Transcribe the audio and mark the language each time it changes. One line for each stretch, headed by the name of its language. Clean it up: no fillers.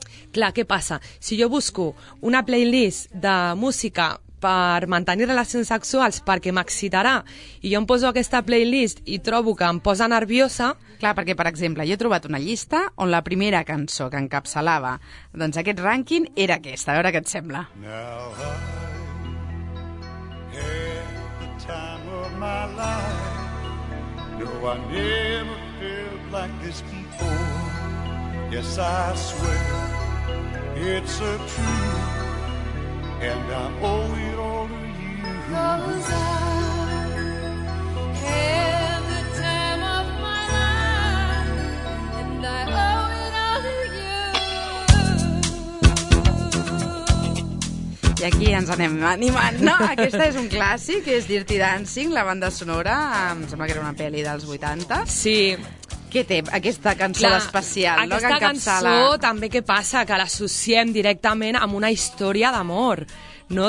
Catalan: Clar, què passa? Si jo busco una playlist de música per mantenir relacions sexuals perquè m'excitarà i jo em poso aquesta playlist i trobo que em posa nerviosa... Clar, perquè, per exemple, jo he trobat una llista on la primera cançó que encapçalava doncs aquest rànquing era aquesta. A veure què et sembla.
English: Now I have the time of my life. No, I never felt like this before. Yes, I swear it's a truth. And I owe it all to you. 'Cause I had the time of my life, and I owe it all to you.
Catalan: I aquí ens anem animant, no? Aquesta és un clàssic, és Dirty Dancing, la banda sonora, em sembla que era una pel·li dels 80. Sí. Què té aquesta cançó especial? Aquesta no, que encapçala... cançó també, què passa? Que l'associem directament amb una història d'amor, no?